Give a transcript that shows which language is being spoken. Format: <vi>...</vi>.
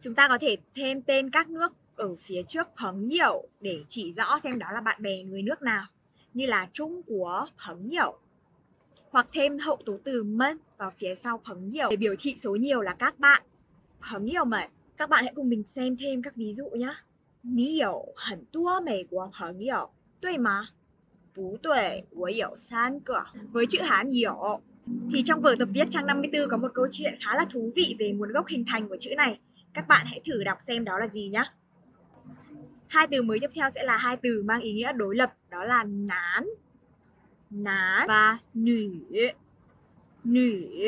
<vi>Chúng ta có thể thêm tên các nước ở phía trước "朋友" để chỉ rõ xem đó là bạn bè người nước nào, như là "Trung Quốc "朋友". Hoặc thêm hậu tố từ "mân" vào phía sau "朋友" để biểu thị số nhiều là các bạn. "朋友" mà. Các bạn hãy cùng mình xem thêm các ví dụ nhé.</vi> <zh>你有很多美国朋友，对吗？不对，我有三个.</zh> <vi>Với chữ Hán "有" thì trong vở tập viết trang 54 có một câu chuyện khá là thú vị về nguồn gốc hình thành của chữ này. Các bạn hãy thử đọc xem đó là gì nhé. Hai từ mới tiếp theo sẽ là hai từ mang ý nghĩa đối lập, đó là "nán", "nán" và "nữ", "nữ".</vi>